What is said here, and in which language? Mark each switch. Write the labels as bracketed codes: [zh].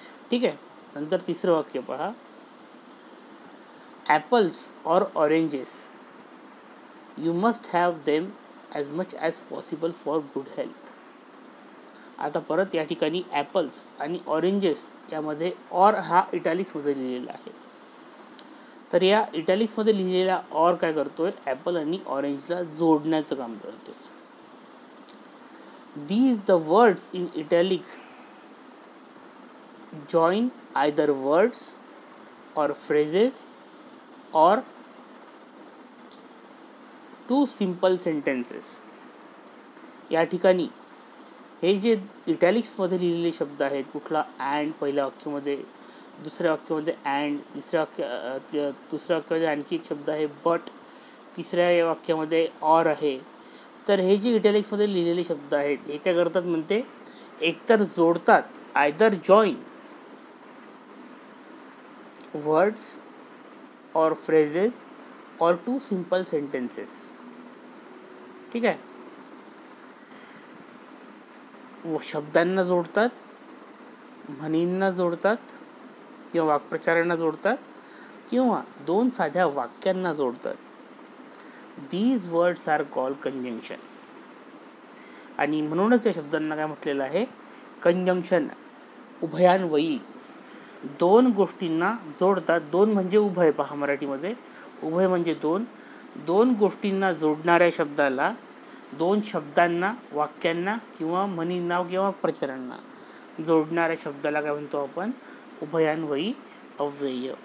[mr] ठीक आहे. नंतर तिसरं वाक्य पहा. [en] Apples or oranges you must have them as much as possible for good health. [mr] आता परत या ठिकाणी ॲपल्स आणि ऑरेंजेस यामध्ये ऑर हा इटॅलिक्समध्ये लिहिलेला आहे. तर या इटॅलिक्समध्ये लिहिलेला ऑर काय करतो आहे ॲपल आणि ऑरेंजला जोडण्याचं काम करतो. [en] These the words in italics join either words or phrases or two simple sentences. [mr] या ठिकाणी हे जे इटॅलिक्समध्ये लिहिलेले शब्द आहेत कुठला अँड पहिल्या वाक्यामध्ये दुसऱ्या वाक्यामध्ये अँड तिसऱ्या वाक्य दुसऱ्या वाक्यामध्ये आणखी एक शब्द आहे बट तिसऱ्या वाक्यामध्ये ऑर आहे. तर हे जे इटॅलिक्समध्ये लिहिलेले शब्द आहेत हे काय करतात म्हणते एकतर जोडतात [en] Either join words or phrases or two simple sentences. [mr] ठीक है. वो शब्दांना जोडतात म्हणींना जोडतात किंवा वाक्प्रचारांना जोडतात किंवा दोन साध्या वाक्यांना जोडतात. [en] These words are call conjunction. [mr] आणि म्हणूनच या शब्दांना काय म्हटलेलं आहे कंजंक्शन. उभयान्वयी दोन गोष्टींना जोडतात. दोन म्हणजे उभय. पहा मराठीमध्ये उभय म्हणजे दोन. दोन गोष्टींना जोडणाऱ्या शब्दाला दोन शब्दांना वाक्यांना किंवा म्हणींना किंवा प्रचारांना जोडणाऱ्या शब्दाला काय म्हणतो आपण उभयान्वयी अव्यय.